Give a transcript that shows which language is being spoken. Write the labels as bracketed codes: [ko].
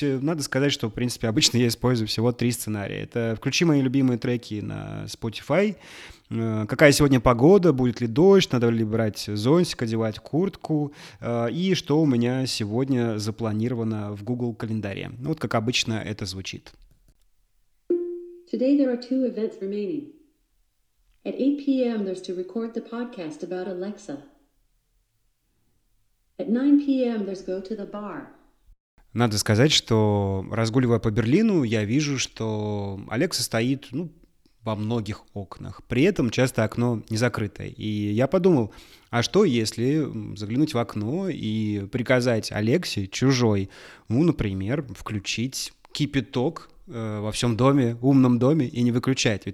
[ru] Надо сказать, что, в принципе, обычно я использую всего 3 сценария. Это «Включи мои любимые треки на Spotify», «Какая сегодня погода, будет ли дождь, надо ли брать зонтик, одевать куртку», и «Что у меня сегодня запланировано в Google календаре». Ну, вот как обычно это звучит. [en] Today there are 2 events remaining. At 8 p.m. there's to record the podcast about Alexa. At 9 p.m. there's go to the bar. [ru] Надо сказать, что разгуливая по Берлину, я вижу, что Alexa стоит, ну, во многих окнах. При этом часто окно не закрытое. И я подумал, а что если заглянуть в окно и приказать Алексе, чужой, ну, например, включить кипяток во всем доме, умном доме, и не выключать.